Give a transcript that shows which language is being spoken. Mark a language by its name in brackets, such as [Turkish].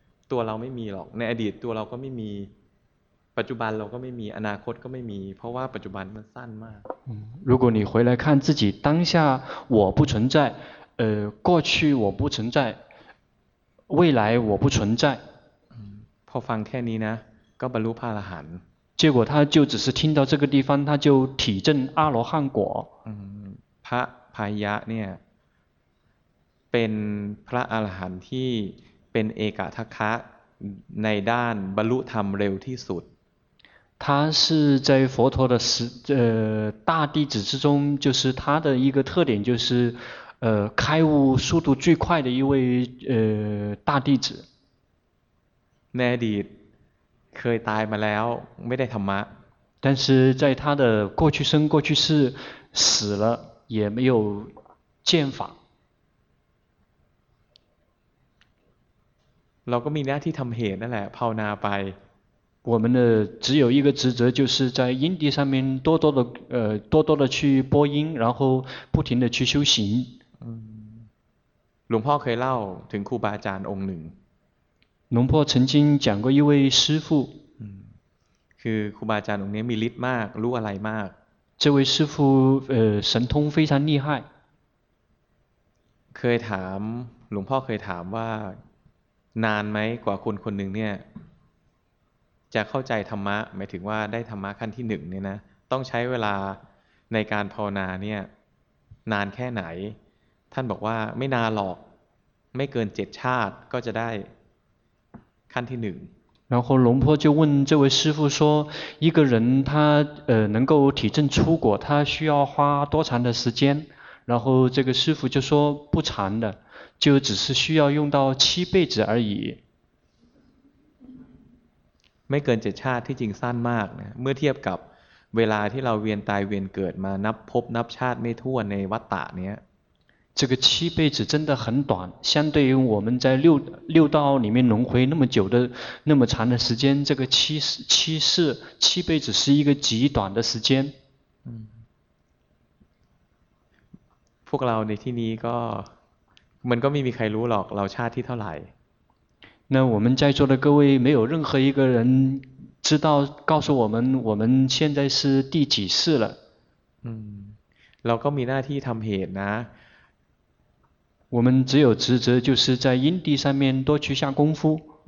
[Thai] ตัวเราไม่มีหรอกในอดีตตัวเราก็ไม่มีปัจจุบันเราก็ไม่มีอนาคตก็ไม่มีเพราะว่าปัจจุบันมันสั้นมาก [Chinese] 如果你回来看自己当下我不存在过去我不存在未来我不存在 [Thai] พอฟังแค่นี้นะก็บรรลุพระอรหันต์ [Chinese] 结果他就只是听到这个地方他就体证阿罗汉果 [Thai] พระพยะเนี่ยเป็นพระอรหันต์ที่เป็นเอกทัคคะในด้านบรรลุธรรมเร็วที่สุด [Chinese] 他是在佛陀的大弟子之中就是他的一个特点就是开悟速度最快的一位大弟子 [Thai] ในอดีตเคยตายมาแล้วไม่ได้ธรรมะ [Chinese] 但是在他的过去生过去世死了也没有见法 [Thai] เราก็มีหน้าที่ทำเหตุนั่นแหละภาวนาไป [Chinese] 我们的只有一个职责就是在因地上面多多的多多的去播因然后不停的去修行 [Thai] หลวงพ่อเคยเล่าถึงครูบาอาจารย์องค์หนึ่ง [Chinese] หลวงพ่อ曾经讲过一位师父 [Thai] คือครูบาอาจารย์องค์นี้มีฤทธิ์มากรู้อะไรมาก [Chinese] 这位师父神通非常厉害 [Thai] เคยถามหลวงพ่อเคยถามว่านานไหมกว่าคนคนหนึ่งเนี่ยจะเข้าใจธรรมะหมายถึงว่าได้ธรรมะขั้นที่หนึ่งเนี่ยนะต้องใช้เวลาในการภาวนาเนี่ยนานแค่ไหนท่านบอกว่าไม่นานหรอกไม่เกิน7ชาติก็จะได้ขั้นที่หนึ่ง [Chinese] 然后龙婆就问这位师父说一个人他能够体证出果他需要花多长的时间然后这个师父就说不长的就只是需要用到七辈子而已 [Thai] ไม่เกินเจ็ดชาติที่จริงสั้นมากนะเมื่อเทียบกับเวลาที่เราเวียนตายเวียนเกิดมานับพบนับชาติไม่ทั่วในวัฏฏะเนี้ย [Chinese] 这个七辈子真的很短相对于我们在六道里面轮回那么久的那么长的时间这个七辈子是一个极短的时间 [Thai] พวกเราในที่นี้ก็มันก็ไม่มีใครรู้หรอกเราชาติที่เท่าไหร่ [Chinese] 那我们在座的各位没有任何一个人知道告诉我们现在是第几世了 [Thai] เราก็มีหน้าที่ทำเหตุนะ [Chinese] 我们只有职责就是在因地上面多去下功夫。